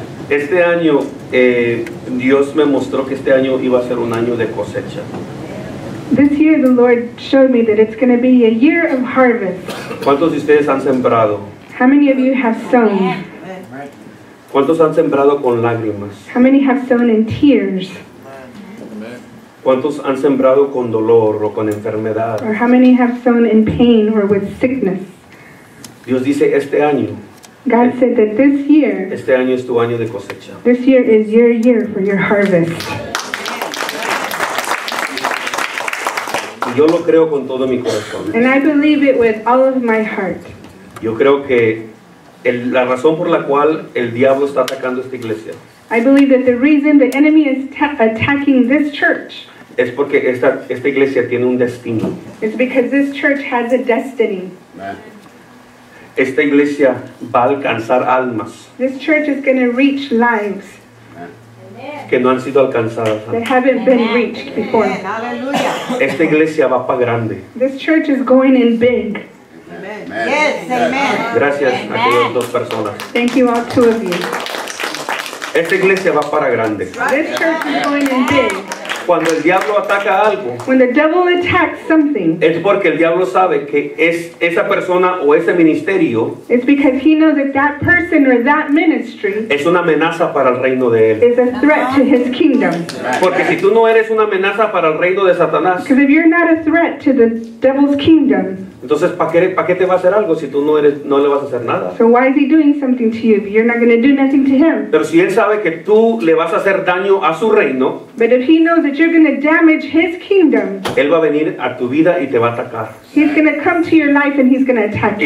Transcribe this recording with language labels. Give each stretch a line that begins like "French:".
Spanish: Este año, Dios me mostró que este año iba a ser un año de cosecha.
English: This year the Lord showed me that it's going to be a year of harvest.
Spanish: ¿Cuántos de ustedes han sembrado?
English: How many of you have sown?
Spanish: ¿Cuántos han sembrado con lágrimas?
English: How many have sown in tears?
Spanish: ¿Cuántos han sembrado con dolor o con enfermedad?
English: Or how many have sown in pain or with sickness?
Spanish: Dios dice este año.
English: God said that this year.
Spanish: Este año es tu año de cosecha.
English: This year is your year for your harvest.
Spanish: Y yo lo creo con todo mi corazón.
English: And I believe it with all of my heart.
Spanish: Yo creo que la razón por la cual el diablo está atacando esta iglesia.
English: I believe that the reason the enemy is attacking this church.
Spanish: Es porque esta iglesia tiene un destino.
English: It's because this church has a destiny.
Spanish: Esta iglesia va a alcanzar almas.
English: This church is going to reach lives.
Spanish: Que no han sido alcanzadas.
English: They haven't been reached before. Hallelujah.
Spanish: Esta iglesia va para grande.
English: This church is going in big. Amen. Yes, amen.
Spanish: Gracias a aquellas dos personas.
English: Thank you all two of you.
Spanish: Esta iglesia va para grande.
English: This church is going in big.
Spanish: Cuando el diablo ataca algo,
English: when the devil attacks something,
Spanish: es porque el diablo sabe que es esa persona o ese ministerio,
English: it's because he knows that that person or that ministry
Spanish: es una amenaza para el reino de él.
English: Is a threat to his kingdom.
Spanish: Porque si tú no eres una amenaza para el reino de Satanás,
English: because if you're not a threat to the devil's kingdom,
Spanish: entonces ¿para qué te va a hacer algo si tú no le vas a hacer nada?
English: So why is he doing something to you if you're not going to do nothing to him?
Spanish: Pero si él sabe que tú le vas a hacer daño a su reino,
English: but if he knows that you're going to damage his kingdom,
Spanish: él va a venir a tu vida y te va a atacar.
English: He's going to come to your life and he's going to attack you.